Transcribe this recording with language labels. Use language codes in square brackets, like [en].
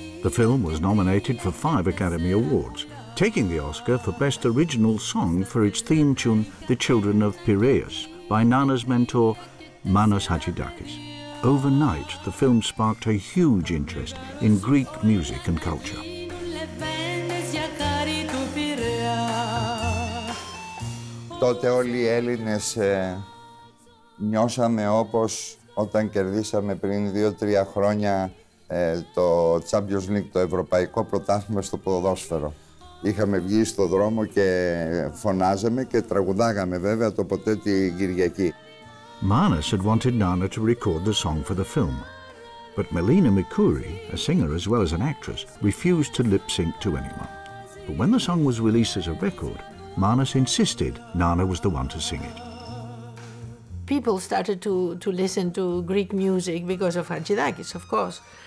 [en] The film was nominated for 5 Academy Awards, taking the Oscar for Best Original Song for its theme tune, The Children of Piraeus, by Nana's mentor, Manos Hadjidakis. Overnight, the film sparked a huge interest in Greek music and culture. [el] Τότε όλοι οι Έλληνες νιώσαμε όπως όταν κερδίσαμε πριν 2-3 χρόνια το Champions League, το Ευρωπαϊκό Πρωτάθλημα στο ποδόσφαιρο. Είχαμε βγει στο δρόμο και φωνάζαμε και τραγουδάγαμε βέβαια το ποτέ την Κυριακή. [en] Manos had wanted Nana to record the song for the film, but Melina Mouskouri, a singer as well as an actress, refused to lip-sync to anyone. But when the song was released as a record, Manos insisted Nana was the one to sing it. People started to listen to Greek music because of Hadjidakis, of course.